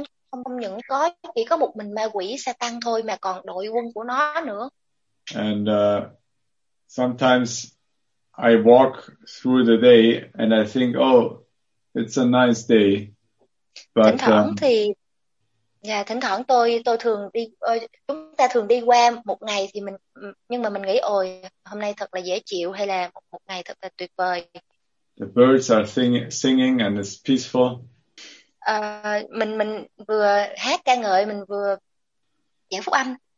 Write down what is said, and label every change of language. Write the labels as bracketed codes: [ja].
[vi] Không chỉ có một mình ma quỷ Satan thôi mà còn đội quân của nó nữa. [en] And sometimes I walk through the day and I think, oh, it's a nice day. But [vi] thỉnh thoảng tôi thường đi, chúng ta thường đi qua một ngày thì mình, nhưng mà mình nghĩ, ôi, hôm nay thật là dễ chịu, hay là một ngày thật là tuyệt vời. [en] The birds are singing and it's peaceful. [vi] Mình vừa hát ca ngợi, mình vừa giảng phúc âm.